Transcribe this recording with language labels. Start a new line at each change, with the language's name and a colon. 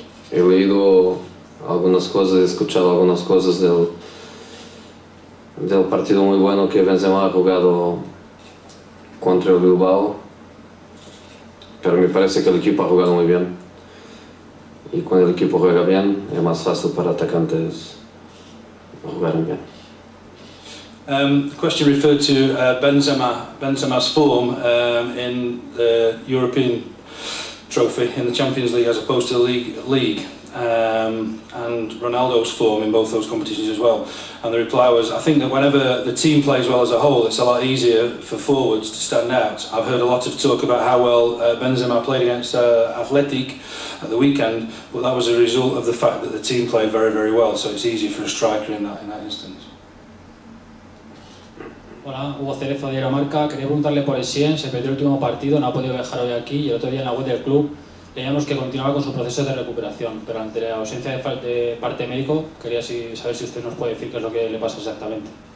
Spanish: He leído algunas cosas, he escuchado algunas cosas del partido muy bueno que Benzema ha jugado contra el Bilbao, pero me parece que el equipo ha jugado muy bien y cuando el equipo juega bien es más fácil para atacantes jugar bien.
English: Question referred to Benzema's form in the European trophy, in the Champions League as opposed to the league. And Ronaldo's form in both those competitions as well. And the reply was, I think that whenever the team plays well as a whole, it's a lot easier for forwards to stand out. I've heard a lot of talk about how well Benzema played against Athletic at the weekend, but that was a result of the fact that the team played very, very well, so it's easy for a striker in that instance.
Spanish: Hola, Hugo Cerezo de Dinamarca. Quería preguntarle por el Sien, se perdió el último partido, no ha podido viajar hoy aquí, y el otro día en la web del club teníamos que continuaba con su proceso de recuperación, pero ante la ausencia de parte médico, quería saber si usted nos puede decir qué es lo que le pasa exactamente.